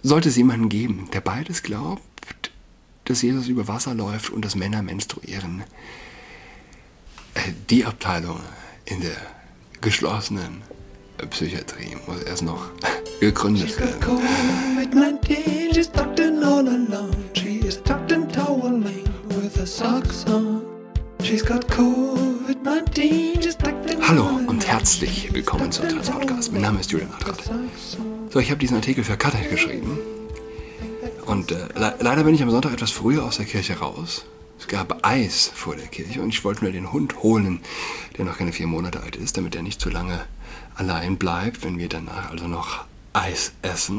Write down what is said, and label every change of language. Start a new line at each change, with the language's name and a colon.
German: sollte es jemanden geben, der beides glaubt, dass Jesus über Wasser läuft und dass Männer menstruieren, die Abteilung in der geschlossenen Psychiatrie muss erst noch gegründet werden.
English: She's got COVID-19, she's tucked in all alone. She is tucked in toweling with her socks on. She's got COVID-19, she's tucked in.
German: Hallo und herzlich willkommen zum Trans-Podcast. Mein Name ist Julian Adrott. So, ich habe diesen Artikel für Cuthead geschrieben. Und leider bin ich am Sonntag etwas früher aus der Kirche raus. Es gab Eis vor der Kirche und ich wollte nur den Hund holen, der noch keine 4 Monate alt ist, damit er nicht zu lange allein bleibt, wenn wir danach also noch Eis essen.